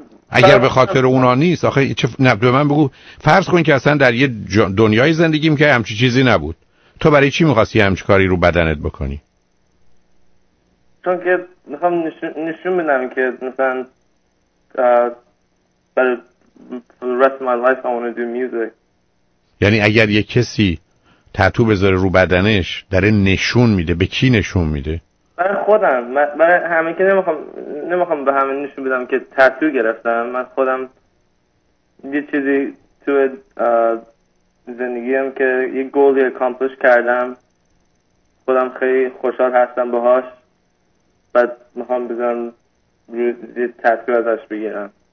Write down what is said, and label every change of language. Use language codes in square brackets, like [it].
[fa] اگر به خاطر اونا نیست آخه چه به من بگو. فرض کن که اصلا در یه دنیای زندگیم که همچی چیزی نبود، تو برای چی میخواستی همچی کاری رو بدنت بکنی؟ چون که میخوام نشون بدم که مثلا [en] but for the rest of my life I want to do music. [fa] یعنی اگر یک کسی تتو بذاره رو بدنش داره نشون میده، به کی نشون میده؟ من خودم، من همه که نمیخوام به همه نشون بدم که تتو گرفتم. من خودم یه چیزی تو زندگیم که یه گولی اکامپلش کردم، خودم خیلی خوشحال هستم باهاش، بعد میخوام بذارم یه تتو ازش بگیرم.